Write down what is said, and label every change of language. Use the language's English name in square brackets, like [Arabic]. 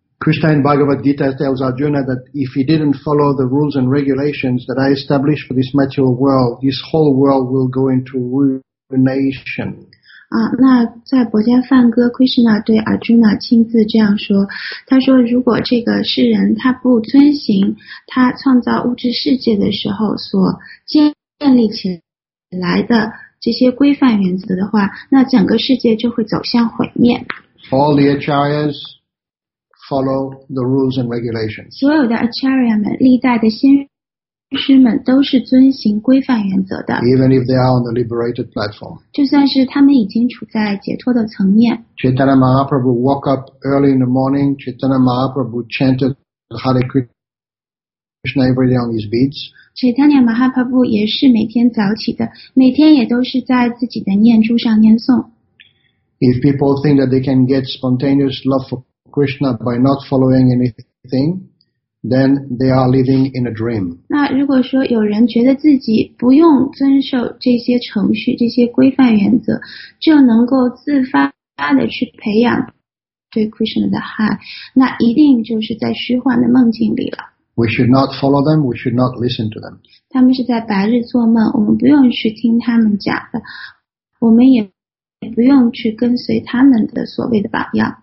[English] Krishna in Bhagavad Gita tells Arjuna that if he didn't follow the rules and regulations that I established for this material world, this whole world will go into ruination. [Chinese] 那在《薄伽梵歌》Krishna 对 Arjuna 亲自这样说，他说如果这个世人他不遵行他创造物质世界的时候所建立起来的这些规范原则的话，那整个世界就会走向毁灭。 [English] All the Acharyas follow the rules and regulations. [Chinese] 所有的 Acharya 们，历代的先师们都是遵行规范原则的。 [English] Even if they are on the liberated platform, [Chinese] 就算是他们已经处在解脱的层面。 [English] Chaitanya Mahaprabhu woke up early in the morning. Chaitanya Mahaprabhu chanted Hare Krishna every day on these beads. [Chinese] Chaitanya Mahaprabhu 也是每天早起的，每天也都是在自己的念珠上念诵。 [English] If people think that they can get spontaneous love for Krishna by not following anything, then they are living in a dream. [Chinese] 那如果说有人觉得自己不用遵守这些程序、这些规范原则，就能够自发的去培养对 Krishna 的爱，那一定就是在虚幻的梦境里了。 [English] We should not follow them, we should not listen to them. [Chinese] 他们是在白日做梦，我们不用去听他们讲的，我们也不用去跟随他们的所谓的榜样。